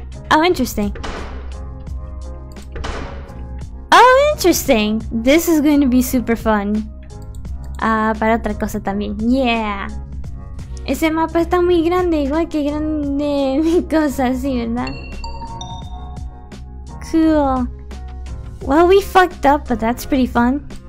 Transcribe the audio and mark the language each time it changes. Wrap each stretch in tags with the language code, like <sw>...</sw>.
<en>Oh interesting, this is going to be super fun.</en> <es>Para otra cosa también. Yeah, ese mapa está muy grande, igual que grande mi cosa, sí, ¿verdad?</es> <en>Cool. Well, we fucked up, but that's pretty fun.</en>